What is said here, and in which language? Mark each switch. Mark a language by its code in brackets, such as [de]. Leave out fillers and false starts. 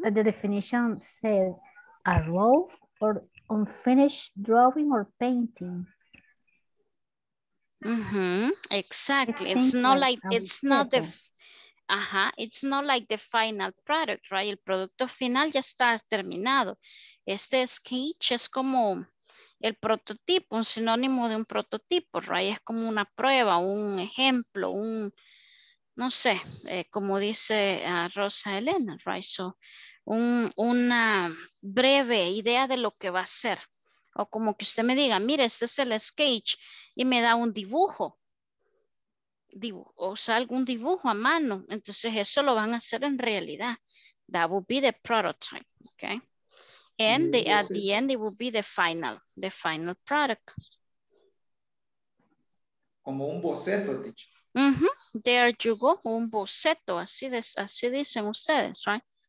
[en] the definition said a rough or unfinished drawing or painting. Mm-hmm. Exactly. It's not like it's not the it's not like the final product, right? [es] El producto final ya está terminado. Este sketch es como el prototipo, un sinónimo de un prototipo, [en] right? [es] Es como una prueba, un ejemplo, un no sé, como dice Rosa Elena, [en] right? [es] So una breve idea de lo que va a ser. O como que usted me diga, mire, este es el sketch y me da un dibujo. O sea, algún dibujo a mano. Entonces eso lo van a hacer en realidad. [en] That would be the prototype, okay? And the, at the end, it would be the final product. [es] Como un boceto, dicho. [en] Mm-hmm. There you go, [es] un boceto, así, así dicen ustedes, [en] right?